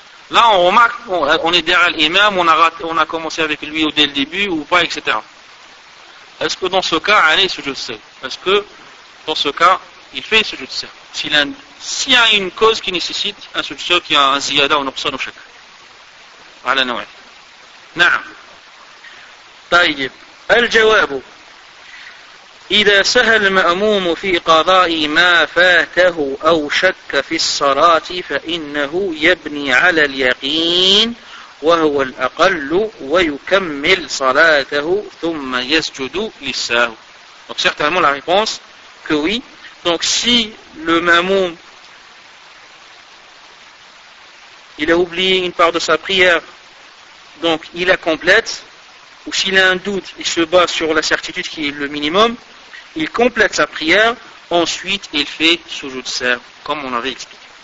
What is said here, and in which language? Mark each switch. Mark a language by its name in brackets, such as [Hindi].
[French] Là on remarque, on est derrière l'imam, on a commencé avec lui dès le début ou pas, etc. Est-ce que dans ce cas, allez, sujoud sahw? Est-ce que dans ce cas, il fait sujoud sahw? S'il y a une cause qui nécessite un sujoud sahw, qui a un ziyada ou un nuqsan ou chaque. [Arabic] على نوعه. نعم. طيب. الجواب إذا سهى المأموم في قضاء ما فاته أو شك في الصلاة فإنه يبني على اليقين وهو الأقل ويكمل صلاته ثم يسجد للسهو. [French] Donc certainement la réponse que oui. Donc si le Mamoum il a oublié une part de sa prière, donc il la complète, ou s'il a un doute, il se base sur la certitude qui est le minimum, il complète sa prière, ensuite il fait sujoud sahw, comme on avait expliqué.